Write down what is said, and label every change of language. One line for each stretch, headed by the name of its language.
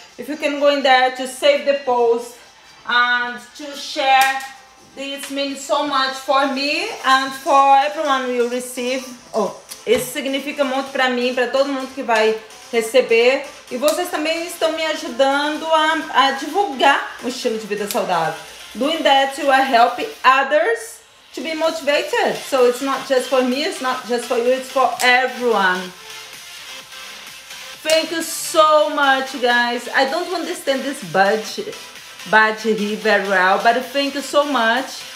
English: If you can go in there to save the post and to share, this means so much for me and for everyone you receive.
Portuguese: Oh, isso significa muito pra mim, pra todo mundo que vai receber. E vocês também estão me ajudando a divulgar o estilo de vida saudável.
English: Doing that, you are helping others to be motivated. So it's not just for me, it's not just for you, it's for everyone. Thank you so much, guys. I don't understand this budget here very well, but thank you so much.